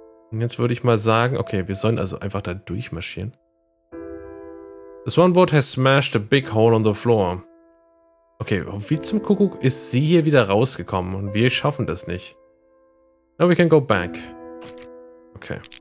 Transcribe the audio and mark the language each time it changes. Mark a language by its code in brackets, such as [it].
[de] Und jetzt würde ich mal sagen, okay, wir sollen also einfach da durchmarschieren. [en] The Swan Boat has smashed a big hole on the floor. [de] Okay, wie zum Kuckuck ist sie hier wieder rausgekommen und wir schaffen das nicht. [en] Now we can go back. Okay.